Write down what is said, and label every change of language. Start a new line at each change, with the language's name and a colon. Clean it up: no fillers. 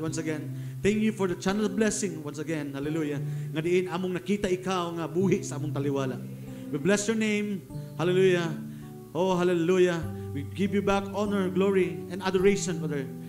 English: Once again, thank you for the channel of blessing. Once again, hallelujah.
Cebuano: Nga diin among nakita ikaw nga buhi sa among taliwala.
English: We bless your name. Hallelujah. Oh, hallelujah. We give you back honor, glory, and adoration, Father.